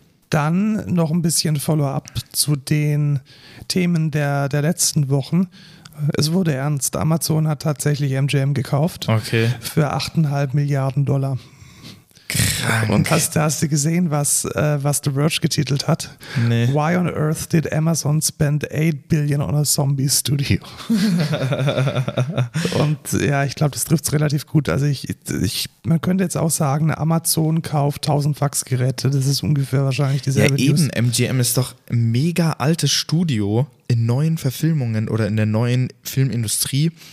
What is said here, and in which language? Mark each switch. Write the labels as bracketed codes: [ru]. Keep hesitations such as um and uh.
[de] Dann noch ein bisschen Follow-up zu den Themen der, der letzten Wochen. Es wurde ernst. Amazon hat tatsächlich MGM gekauft Okay. für 8,5 Milliarden Dollar. Krank. Und hast, hast du gesehen, was, äh, was The Verge getitelt hat? Nee. [en] Why on earth did Amazon spend 8 billion on a zombie studio? [de] Und ja, ich glaube, das trifft es relativ gut. Also ich, ich, man könnte jetzt auch sagen, Amazon kauft 1000 Faxgeräte. Das ist ungefähr wahrscheinlich Ja, dieselbe News. eben. MGM ist doch ein mega altes Studio in neuen Verfilmungen oder in der neuen Filmindustrie.